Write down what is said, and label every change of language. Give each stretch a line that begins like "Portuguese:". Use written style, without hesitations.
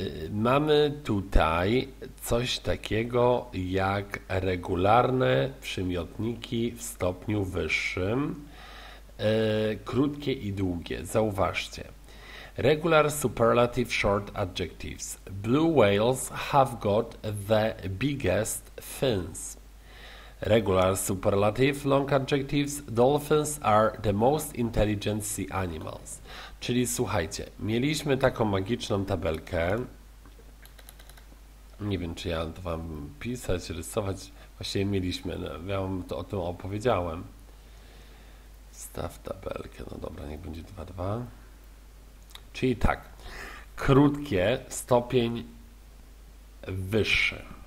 Polish: Mamy tutaj coś takiego jak regularne przymiotniki w stopniu wyższym, krótkie i długie. Zauważcie.
English: Regular superlative short adjectives. Blue whales have got the biggest fins. Regular superlative long adjectives. Dolphins are the most intelligent sea animals.
Polish: Czyli słuchajcie, mieliśmy taką magiczną tabelkę. Nie wiem, czy ja to wam pisać, rysować. Właśnie mieliśmy, ja wam to o tym opowiedziałem. Staw tabelkę, no dobra, niech będzie 2-2. Czyli tak, krótkie, stopień wyższy.